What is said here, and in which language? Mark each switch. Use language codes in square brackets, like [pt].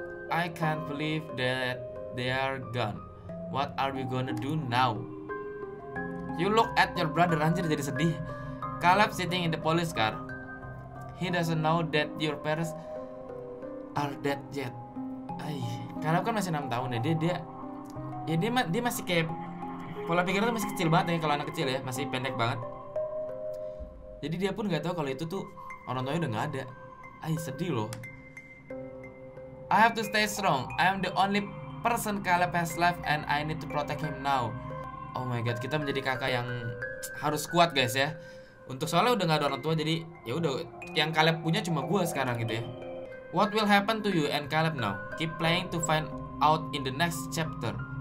[en] I can't believe that they are gone. What are we gonna do now? You look at your brother, [id] anjir jadi sedih. [en] Caleb sitting in the police car. He doesn't know that your parents are dead yet. [id] Ay, Caleb kan masih 6 tahun ya. Dia masih kayak pola pikirnya masih kecil banget ya, kalau anak kecil ya, masih pendek banget. Jadi dia pun gak tahu kalau itu tuh orang tuanya udah gak ada. [en] Ay, [id] sedih loh. [en] I have to stay strong. I am the only person Caleb has left and I need to protect him now. Oh my god, [id] kita menjadi kakak yang harus kuat guys ya. Untuk soalnya udah gak ada orang tua, jadi ya udah yang Caleb punya cuma gue sekarang gitu ya. [en] What will happen to you and Caleb now? Keep playing to find out in the next chapter.